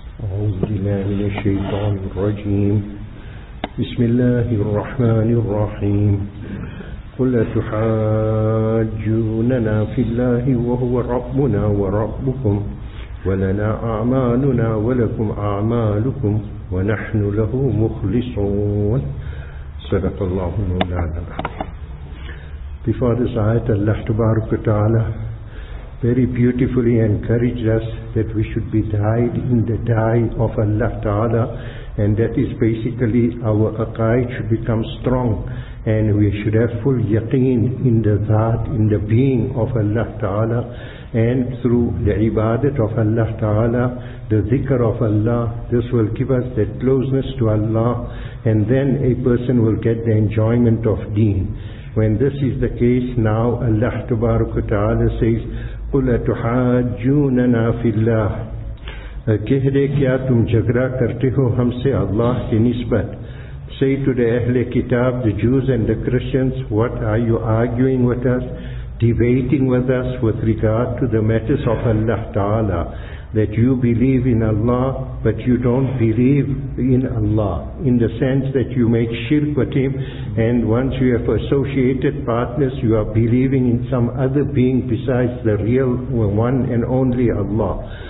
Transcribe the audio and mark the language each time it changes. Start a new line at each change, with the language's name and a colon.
Arabic: أعوذ بالله من الشيطان الرجيم. بسم الله الرحمن الرحيم. قل أتحاجوننا في الله وهو ربنا وربكم ولنا أعمالنا ولكم أعمالكم ونحن له مخلصون. صدق الله مولانا.
English: Before this ayat, Allah tabarak wa ta'ala very beautifully encouraged us that we should be dyed in the dye of Allah ta'ala, and that is basically our aqaid should become strong and we should have full yaqeen in the dhat, in the being of Allah ta'ala, and through the ibadat of Allah ta'ala, the dhikr of Allah, this will give us that closeness to Allah, and then a person will get the enjoyment of deen. When this is the case, now Allah tabarak wa ta'ala says,
Arabic: قُلَ تُحَاجُّونَنَا فِي اللَّهِ.
Urdu: کہہ دے کیا تم جھگڑا کرتے ہو ہم سے اللہ کی نسبت.
English: Say to the Ahl-e Kitab, the Jews and the Christians, what are you arguing with us, debating with us with regard to the matters of Allah Ta'ala, that you believe in Allah but you don't believe in Allah in the sense that you make shirk with him, and once you have associated partners you are believing in some other being besides the real one and only Allah.